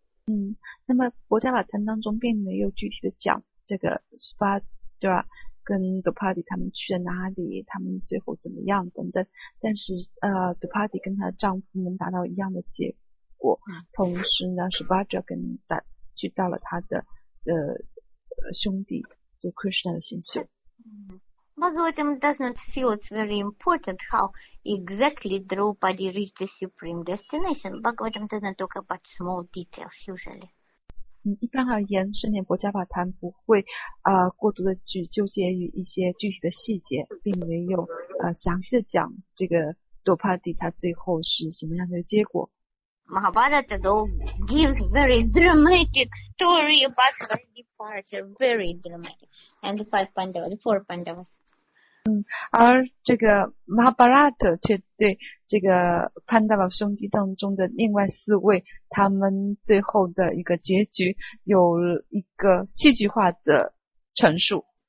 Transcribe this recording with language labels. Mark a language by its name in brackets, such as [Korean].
[Chinese] 嗯，那么博伽瓦坛当中并没有具体的讲这个 Subhadra 跟 Draupadi 他们去了哪里，他们最后怎么样等等，但是Draupadi 跟她的丈夫们达到一样的结果，同时呢 Subhadra 跟他去到了他的兄弟，就 Krishna 的星宿。 [English] Bhagavatam does not feel it's very important how exactly Draupadi reached the supreme destination. Bhagavatam doesn't talk about small details usually. [Chinese] 一般而言，圣典博伽瓦坛不会过度的去纠结于一些具体的细节，并没有详细的讲这个 Draupadi 他最后是什么样的结果。 [English] Mahabharata though gives very dramatic story about the departure, very dramatic, and the five Pandavas, the four Pandavas. [Chinese] 嗯，而这个 Mahabharata 却对这个 Pandava 兄弟当中的另外四位他们最后的一个结局有一个戏剧化的陈述。